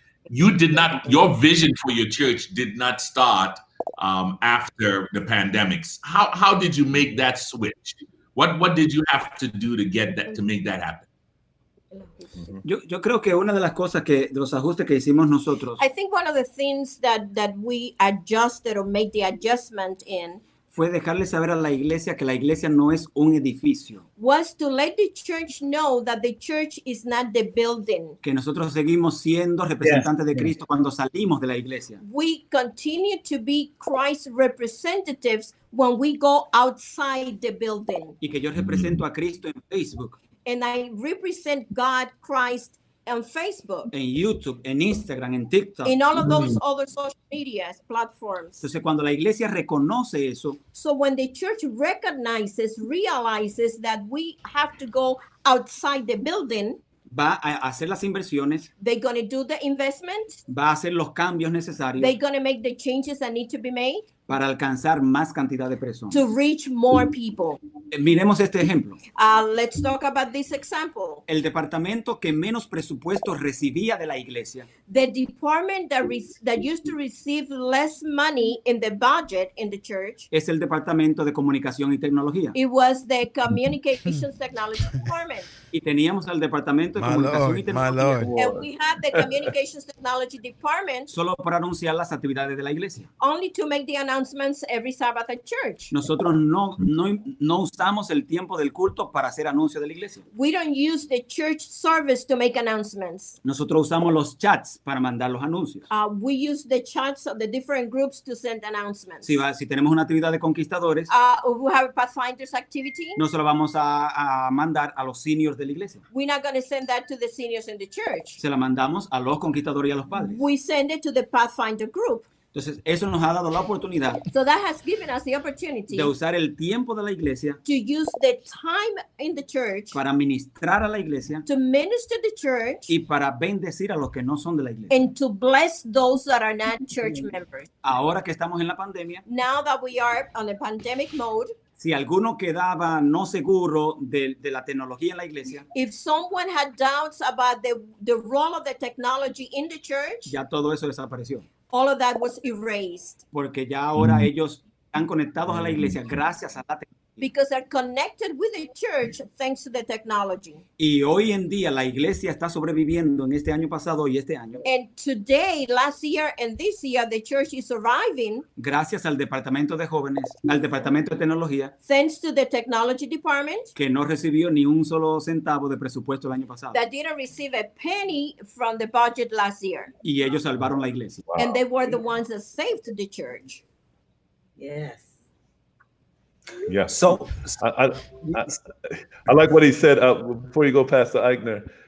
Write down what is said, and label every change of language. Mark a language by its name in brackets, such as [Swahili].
[English] Your vision for your church did not start after the pandemics. How did you make that switch? What did you have to do to get that, to make that happen? [Spanish] Yo creo que una de las cosas que de los ajustes que hicimos nosotros. [English] I think one of the things that we adjusted or made the adjustment in [Spanish] fue dejarle saber a la iglesia que la iglesia no es un edificio. [English] Was to let the church know that the church is not the building. [Spanish] Que nosotros seguimos siendo representantes de Cristo cuando salimos de la iglesia. [English] We continue to be Christ's representatives when we go outside the building. [Spanish] Y que yo represento a Cristo en Facebook. [English] And I represent God, Christ, on Facebook. [Spanish] En YouTube, en Instagram, en TikTok. [English] In all of those other social media platforms. [Spanish] Entonces, cuando la iglesia reconoce eso. [English] So when the church realizes that we have to go outside the building. [Spanish] Va a hacer las inversiones. [English] They're going to do the investment. [Spanish] Va a hacer los cambios necesarios. [English] They're going to make the changes that need to be made. [Spanish] Para alcanzar más cantidad de personas. [English] To reach more people. [Spanish] Miremos este ejemplo. [English] Let's talk about this example. [Spanish] El departamento que menos presupuesto recibía de la iglesia. [English] The department that used to receive less money in the budget in the church. [Spanish] Es el departamento de comunicación y tecnología. [English] It was the communications technology department. [Spanish] Y teníamos al departamento de comunicación y tecnología. [English] And we had the communications technology department. [Spanish] Solo para anunciar las actividades de la iglesia. [English] Only to make the announcements every Sabbath at church. [Spanish] Nosotros no usamos el tiempo del culto para hacer anuncios de la iglesia. [English] We don't use the church service to make announcements. [Spanish] Nosotros usamos los chats para mandar los anuncios. [English] We use the chats of the different groups to send announcements. [Spanish] Si tenemos una actividad de conquistadores, [English] we have a Pathfinders activity. [Spanish] No se lo vamos a mandar a los seniors de la iglesia. [English] We're not going to send that to the seniors in the church. [Spanish] Se la mandamos a los conquistadores y a los padres. [English] We send it to the Pathfinder group. [Spanish] Entonces, eso nos ha dado la oportunidad. [English] So that has given us the opportunity [Spanish] de usar el tiempo de la iglesia. [English] To use the time in the church. [Spanish] Para ministrar a la iglesia. [English] To minister the church. [Spanish] Y para bendecir a los que no son de la iglesia. [English] And to bless those that are not church members. [Spanish] Ahora que estamos en la pandemia. [English] Now that we are on a pandemic mode. [Spanish] Si alguno quedaba no seguro de la tecnología en la iglesia. [English] If someone had doubts about the role of the technology in the church. [Spanish] Ya todo eso desapareció. [English] All of that was erased. [Spanish] Porque ya ahora ellos están conectados a la iglesia gracias a la tecnología. [English] Because they're connected with the church thanks to the technology. [Spanish] Y hoy en día la iglesia está sobreviviendo en este año pasado y este año. [English] And today, last year and this year, the church is surviving. [Spanish] Gracias al departamento de jóvenes, al departamento de tecnología. [English] Thanks to the technology department. [Spanish] Que no recibió ni un solo centavo de presupuesto el año pasado. [English] That didn't receive a penny from the budget last year. [Spanish] Y ellos salvaron la iglesia. [English] Wow. And they were the ones that saved the church. Yes. Yeah. So I like what he said before you go, Pastor Eichner.